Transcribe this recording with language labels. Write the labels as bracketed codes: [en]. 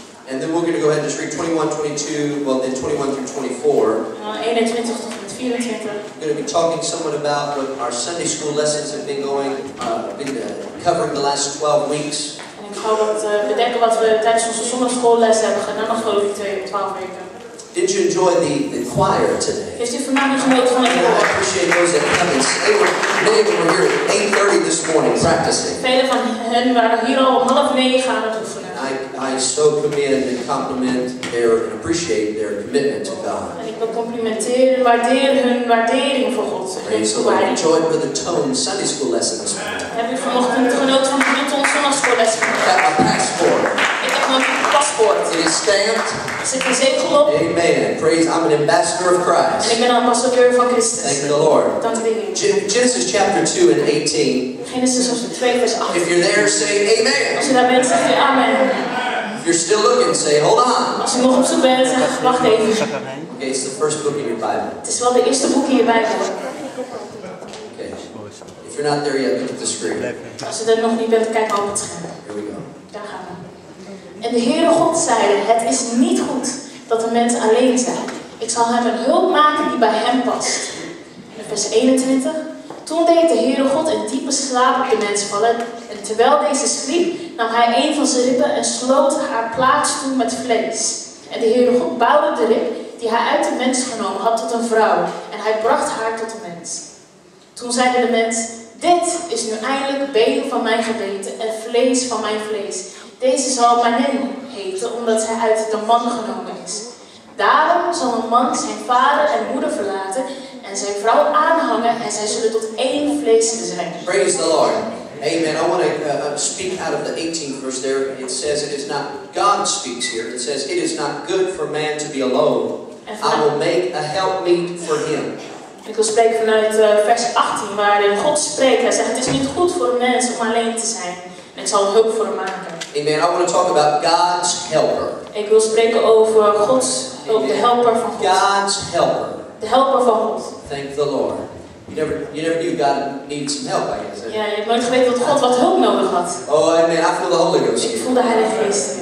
[en] And then we're going to go ahead and just read 21, 22, well then 21 through 24. [nl] 21 tot 24. [en] We're going to be talking somewhat about what our Sunday school lessons have been going, covering the last 12 weeks. [nl] En ik ga wat bedenken wat we tijdens onze zondagschoollessen hebben gedaan de afgelopen 12 weken. [en] Did you enjoy the choir today? [nl] Heeft u vanavond genoten van de choir? [en] I appreciate those that come and stay. Many of them were here at 8:30 this morning practicing. [nl] Vele van hen waren hier al om 8:30 gaan oefenen. [en] I so commend and compliment their and appreciate their commitment to God. [nl] En ik wil complimenteren, waarderen hun waardering voor God. [en] Praise the Lord. Enjoyed with the tone Sunday school lessons. [nl] Heb u vanochtend genoten van de tone zondagschool lessen? [en] I have a passport. [nl] Ik heb een paspoort. [en] It is stamped. [nl] Zit een zegel op. [en] Amen. Praise. I'm an ambassador of Christ. [nl] En ik ben ambassadeur van Christus. [en] Thank you, the Lord. [nl] Dank de Heer. [en] Genesis chapter 2 and 18. [nl] Genesis 2 vers 18. [en] If you're there, say amen. [nl] Als je daar bent, zeg je amen. [en] If you're still looking, say hold on. [nl] Als je nog op zoek bent, zeg wacht even. [en] Okay, it's the first book in your Bible. [nl] Het is wel de eerste boek in je Bijbel. [en] Okay. If you're not there yet, look at the screen. [nl] Als je er nog niet bent, kijk op het scherm. [en] Here we go. [nl] Daar gaan we. En de Heere God zeide, het is niet goed dat een mens alleen zijn. Ik zal hem een hulp maken die bij hem past. Vers 21. Toen deed de Heere God een diepe slaap op de mens vallen. En terwijl deze sliep, nam hij een van zijn ribben en sloot haar plaats toe met vlees. En de Heere God bouwde de rib die hij uit de mens genomen had tot een vrouw. En hij bracht haar tot de mens. Toen zeide de mens, dit is nu eindelijk been van mijn gebeten en vlees van mijn vlees. Deze zal Manen heten, omdat hij uit de man genomen is. Daarom zal een man zijn vader en moeder verlaten en zijn vrouw aanhangen en zij zullen tot één vlees zijn. [en] Praise the Lord. Amen. I want to speak out of the 18th verse there. It says it is not, God speaks here. It says it is not good for man to be alone. I will make a helpmeet for him. [nl] Ik wil spreken vanuit vers 18 waarin God spreekt. Hij zegt het is niet goed voor een mens om alleen te zijn. Ik zal hulp voor hem maken. Amen. [en] I want to talk about God's helper. [nl] Ik wil spreken over God's hulp, de helper van God. [en] God's helper. [nl] De helper van God. [en] Thank the Lord. You never knew God needs some help, I guess. [nl] Ja, je hebt nooit geweten dat God wat hulp nodig had. [en] Oh, amen. I feel the Holy Ghost. [nl] Ik voel de Heilige Geest.